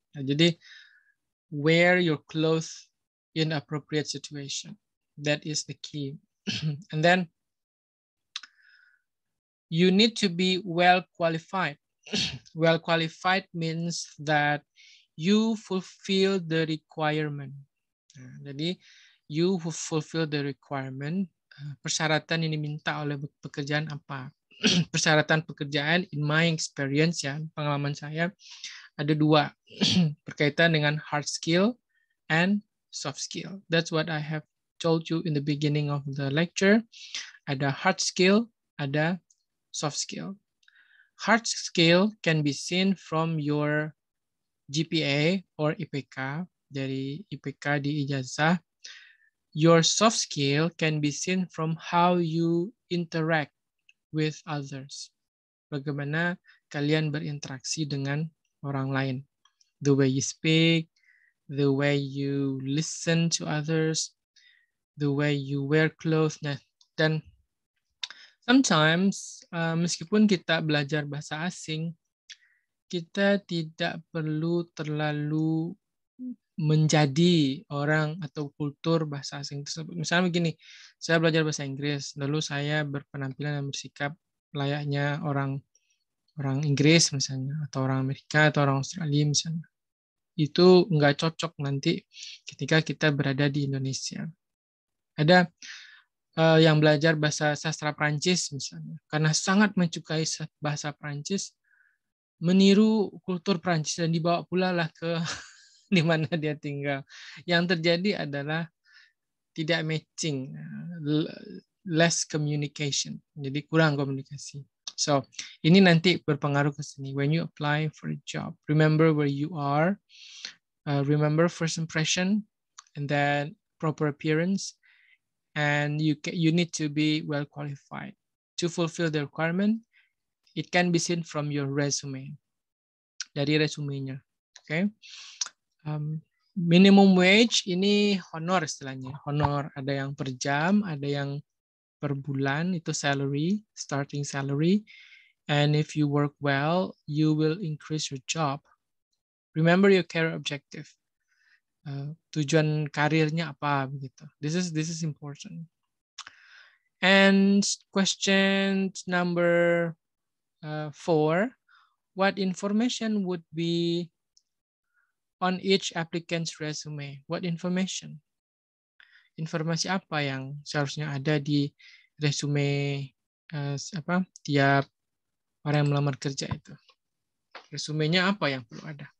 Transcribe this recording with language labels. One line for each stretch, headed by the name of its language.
English: Nah, jadi, wear your clothes in appropriate situation. That is the key. And then you need to be well qualified. Well qualified means that you fulfill the requirement. Jadi, you fulfill the requirement.
Indonesian: Persyaratan ini minta oleh pekerjaan apa? Persyaratan pekerjaan,
English: in my experience
Indonesian: ya, pengalaman saya, ada dua berkaitan dengan hard skill and soft skill.
English: That's what I have told you in the beginning of the lecture.
Indonesian: Ada hard skill, ada soft skill.
English: Hard skill can be seen from your GPA or IPK,
Indonesian: dari IPK di ijazah.
English: Your soft skill can be seen from how you interact with others.
Indonesian: Bagaimana kalian berinteraksi dengan orang lain.
English: The way you speak, the way you listen to others, the way you wear clothes.
Indonesian: Nah, dan sometimes, meskipun kita belajar bahasa asing, kita tidak perlu terlalu menjadi orang atau kultur bahasa asing tersebut. Misalnya begini, saya belajar bahasa Inggris, lalu saya berpenampilan dan bersikap layaknya orang Inggris misalnya, atau orang Amerika, atau orang Australia misalnya. Itu nggak cocok nanti ketika kita berada di Indonesia. Ada yang belajar bahasa sastra Prancis misalnya, karena sangat mencukai bahasa Prancis, meniru kultur Prancis dan dibawa pula lah ke di mana dia tinggal. Yang terjadi adalah tidak matching,
English: less communication,
Indonesian: jadi kurang komunikasi. So, ini nanti berpengaruh ke sini.
English: When you apply for a job, remember where you are, remember first impression, and then proper appearance, and you need to be well qualified to fulfill the requirement. It can be seen from your resume.
Indonesian: Dari resumenya.
English: Okay.
Indonesian: Minimum wage ini honor istilahnya. Honor ada yang per jam, ada yang per bulan, itu salary, starting salary.
English: And if you work well, you will increase your job. Remember your career objective.
Indonesian: Tujuan karirnya apa begitu.
English: This is important. And question number 4, what information would be on each applicant's resume? What information?
Indonesian: Informasi apa yang seharusnya ada di resume tiap orang yang melamar kerja itu? Resumenya apa yang perlu ada?